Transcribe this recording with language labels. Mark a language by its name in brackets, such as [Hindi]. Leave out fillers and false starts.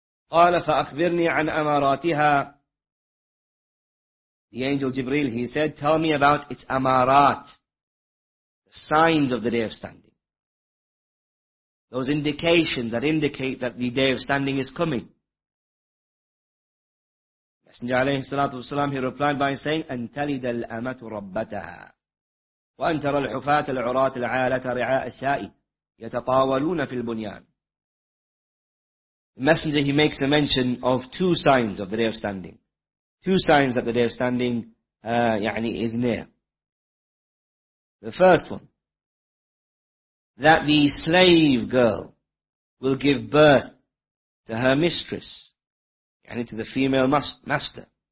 [Arabic] قَالَ فَأَخْبِرْنِي عَنْ أَمَارَاتِهَا. [English] The angel Jibreel, he said, tell me about its amarat, the signs of the day of standing. Those indications that indicate that the day of standing is coming. [Arabic] Messenger alayhi salatu wasalam, [English] he replied by saying, [Arabic] أَنْ تَلِدَ الْأَمَةُ رَبَّتَهَا وَأَنْ تَرَى الْحُفَاتَ الْعُرَاتِ الْعَالَةَ رِعَاءَ السَّائِ يَتَطَاوَلُونَ فِي الْبُنْيَانِ. [English] The messenger, he makes a mention of two signs of the day of standing. Two signs that the day of standing is near. The first one, that the slave girl will give birth to her mistress, yani to the female master.